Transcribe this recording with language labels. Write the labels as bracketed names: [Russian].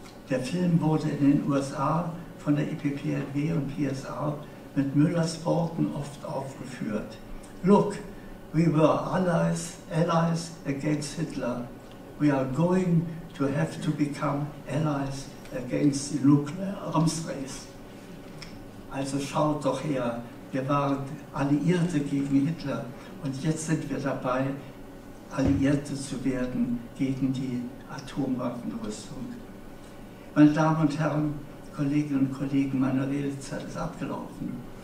[German] Der Film wurde in den USA von der IPPNB und PSA mit Müllers Worten oft aufgeführt. [English] Look, We were allies against Hitler. We are going to have to become allies against the nuclear arms race. [German] Also schaut doch her, wir waren Alliierte gegen Hitler und jetzt sind wir dabei, Alliierte zu werden gegen die Atomwaffenrüstung. Meine Damen und Herren, Kolleginnen und Kollegen, meine Redezeit ist abgelaufen.